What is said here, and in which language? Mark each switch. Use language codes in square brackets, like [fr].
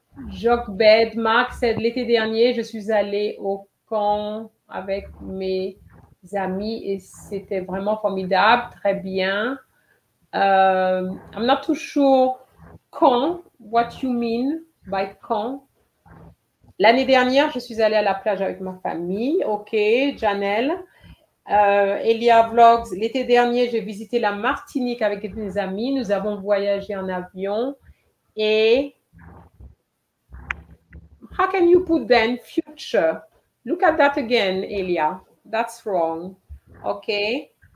[fr] Jokbed, Marc said, l'été dernier, je suis allée au camp avec mes... amis et c'était vraiment formidable, très bien. [en] I'm not too sure quand, what you mean by quand. [fr] L'année dernière, je suis allée à la plage avec ma famille, ok, Janelle. Elia Vlogs, l'été dernier, j'ai visité la Martinique avec mes amis, nous avons voyagé en avion et... [en] How can you put then future? Look at that again, Elia. That's wrong. Okay.